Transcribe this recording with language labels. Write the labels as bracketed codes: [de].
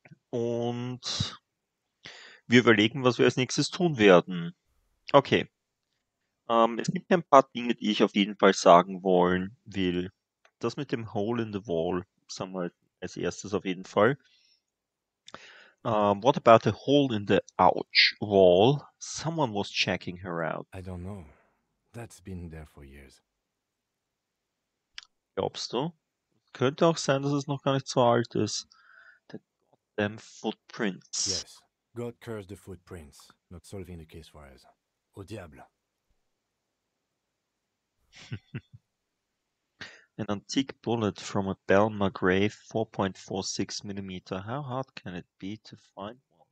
[de] Und wir überlegen, was wir als nächstes tun werden. Okay. Es gibt ein paar Dinge, die ich auf jeden Fall sagen wollen will. Das mit dem Hole in the Wall, sagen wir als erstes auf jeden Fall. [en] What about the hole in the ouch wall? Someone was checking her out. I don't know. That's been there for years. [de] Glaubst du? Könnte auch sein, dass es noch gar nicht so alt ist. [en] Goddamn footprints. Yes, God cursed the footprints, not solving the case for us. [fr] Au diable. [en] An antique bullet from a Bell Margrave 4.46 mm. How hard can it be to find one?